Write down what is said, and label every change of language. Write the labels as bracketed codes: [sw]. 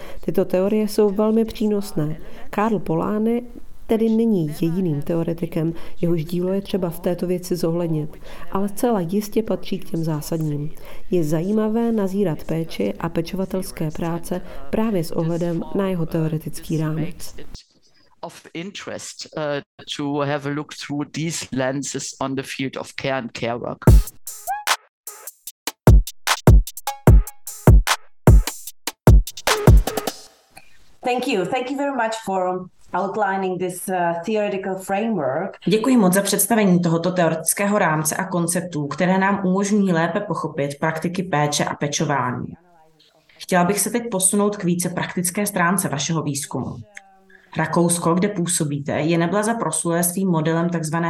[cs] Tyto teorie jsou velmi přínosné. Karl Polány tedy není jediným teoretikem, jehož dílo je třeba v této věci zohlednit, ale zcela jistě patří k těm zásadním. Je zajímavé nazírat péči a pečovatelské práce právě s ohledem na jeho teoretický rámec. [en] Of interest to have a look through these lenses on the field of care and care work. Thank you very much for outlining this theoretical framework. [cs] Děkuji moc za představení tohoto teoretického rámce a konceptů, které nám umožní lépe pochopit praktiky péče a pečování. Chtěla bych se teď posunout k více praktické stránce vašeho výzkumu. Rakousko, kde působíte, je neblaze proslulé svým modelem tzv.